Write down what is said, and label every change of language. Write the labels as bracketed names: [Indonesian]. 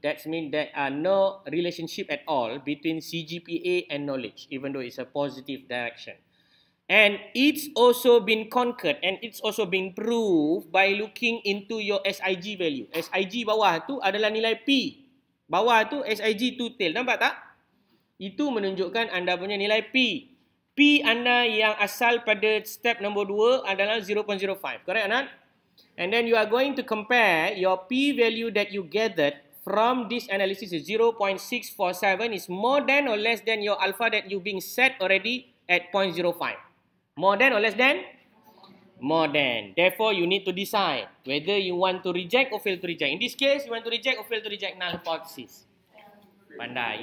[English] That means there are no relationship at all between CGPA and knowledge, even though it's a positive direction. And it's also been conquered and it's also been proved by looking into your SIG value. [Malay] SIG bawah tu adalah nilai P. Bawah tu SIG to tail. Nampak tak? Itu menunjukkan anda punya nilai P. P anda yang asal pada step nombor 2 adalah 0.05. [English] Correct, Anand? And then you are going to compare your P value that you gathered from this analysis. 0.647 is more than or less than your alpha that you being set already at 0.05. More than or less than? More than. Therefore, you need to decide whether you want to reject or fail to reject. In this case, you want to reject or fail to reject null hypothesis. [Malay] Pandai.